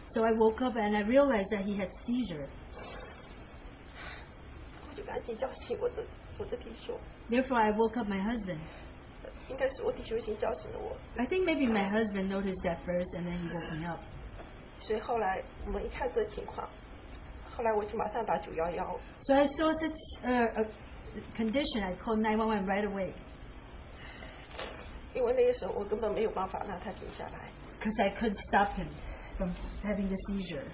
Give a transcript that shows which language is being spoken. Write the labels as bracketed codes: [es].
[en] So I woke up and I realized that he had seizure. [zh] 我就赶紧叫醒我的弟兄。 [en] Therefore, I woke up my husband. [zh] 应该是我弟兄先叫醒了我。 [en] I think maybe my husband noticed that first and then he woke me up. [zh] 所以后来我们一看这情况，后来我就马上打911。 [en] So I saw such a condition, I called 911 right away. [zh] 因为那个时候我根本没有办法让他停下来。 [en] Because I couldn't stop him from having the seizure.